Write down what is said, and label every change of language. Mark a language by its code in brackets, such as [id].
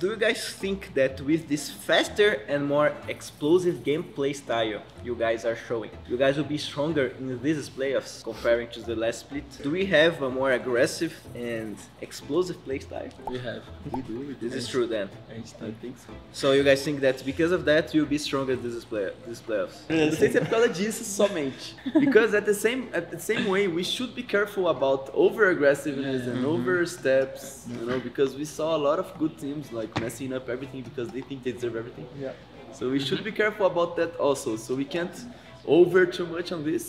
[en] Do you guys think that with this faster and more explosive gameplay style you guys are showing, you guys will be stronger in these playoffs comparing to the last split? Do we have a more aggressive and explosive play style? We have. We do. This is true then. I think so. So you guys think that because of that you'll be stronger in these playoffs? [pt] Não sei se é por causa disso somente. [en] Because at the same way we should be careful about over aggressiveness and over steps, you know, because we saw a lot of good teams like messing up everything because they think they deserve everything. Yeah. So we should be careful about that also. So we can't over too much on this.